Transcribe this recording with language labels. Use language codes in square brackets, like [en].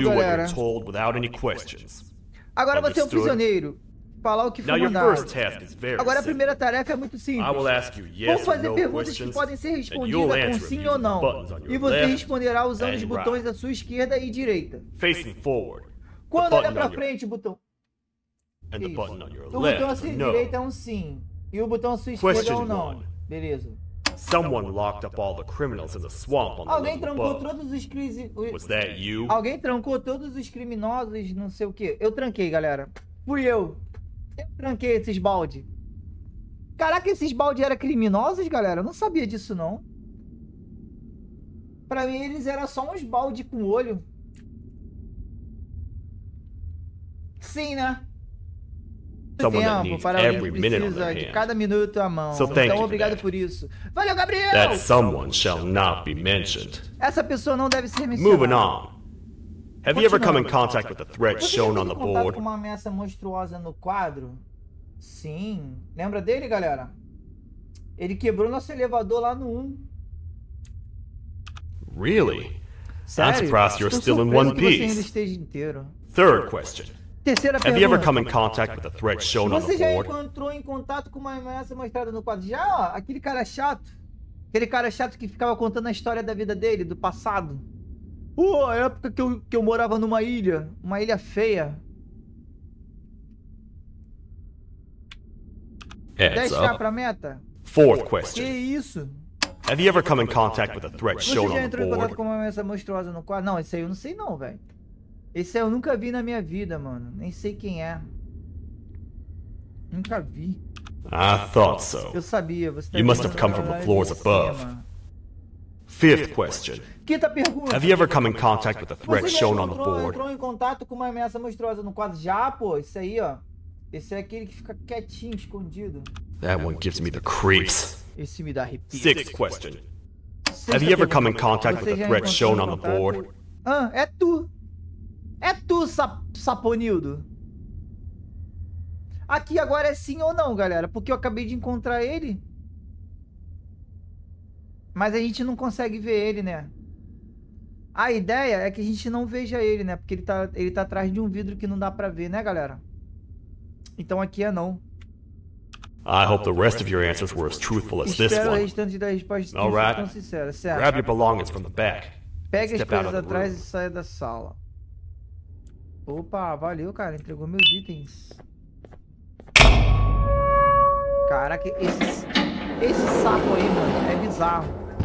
[en] You'll do what you're told without any questions. [pt] Agora você é um prisioneiro. Falar o que for mandado. [en] Your first task is very [pt] agora a primeira tarefa é muito simples. [en] I will ask you yes [pt] vou fazer [en] or no [pt] perguntas que podem ser respondidas com sim ou não. E você responderá usando os botões da sua esquerda e direita. [en] Facing forward. [pt] Quando olha pra frente, o botão. [en] And the button on your [pt] o botão à sua direita é um sim. E o botão à sua esquerda é um não. Beleza. [en] Someone locked up all the criminals in the swamp on the [pt] alguém trancou todos os [en] was that you? [pt] Alguém trancou todos os criminosos, não sei o quê. Eu tranquei, galera. Fui eu. Tranquei esses balde. Caraca, esses balde eram criminosos, galera? Eu não sabia disso, não. Pra mim, eles eram só uns balde com olho. Sim, né? [en] Someone that needs every minute on their hands. [pt] Cada minuto à mão. [en] So thank [pt] então, obrigado [en] for that. [pt] Por isso. Valeu, Gabriel! [en] That someone shall not be mentioned. [pt] Essa pessoa não deve ser mencionada. [en] Moving on. Have you ever come in contact with the threat shown on the board? [pt] Com uma ameaça monstruosa no quadro? Sim. Lembra dele, galera? Ele quebrou nosso elevador lá no 1. [en] Really? [pt] Sério? [en] That's Brass, you're still in one piece. [pt] Você ainda esteja inteiro. [en] Third question. [pt] Terceira pergunta. [en] Have you ever come in contact with the threat shown on the board? [pt] Você já encontrou em contato com uma ameaça mostrada no quadro? Já, ó, aquele cara chato. Aquele cara chato que ficava contando a história da vida dele, do passado. Pô, a época que eu morava numa ilha. Uma ilha feia. [en] Heads [pt] 10k pra meta. [en] Fourth question. [pt] Que isso? [en] Have you ever come in contact with a threat shown on the board? [pt] Você já entrou em contato com uma ameaça monstruosa no quadro? Não, isso aí eu não sei não, velho. Esse eu nunca vi na minha vida, mano. Nem sei quem é. Nunca vi. [en] I thought so. [pt] Eu sabia, você tá. [en] You must have come from the floors above. Fifth question. [pt] Quinta pergunta. [en] Have you ever come in contact with a threat shown on the board? [pt] Entrou em contato com uma ameaça monstruosa no quadro? Já, pô, isso aí, ó. Esse é aquele que fica quietinho, escondido. [en] That one gives me the creeps. [pt] Esse me dá arrepio. [en] Sixth question. Have you ever come in contact with a threat shown on the board? [pt] Ah, é tu. É tu, Saponildo. Aqui agora é sim ou não, galera. Porque eu acabei de encontrar ele. Mas a gente não consegue ver ele, né? A ideia é que a gente não veja ele, né? Porque ele tá atrás de um vidro que não dá pra ver, né, galera? Então aqui é não. [en] I hope the rest of your answers were as truthful as this one. [pt] Espero o restante das respostas que right. Estão sinceras, certo? [en] Grab your belongings from the back. [pt] Pega as coisas atrás e saia da sala. Opa, valeu, cara. Entregou meus itens. Caraca, esse sapo aí, mano, é bizarro.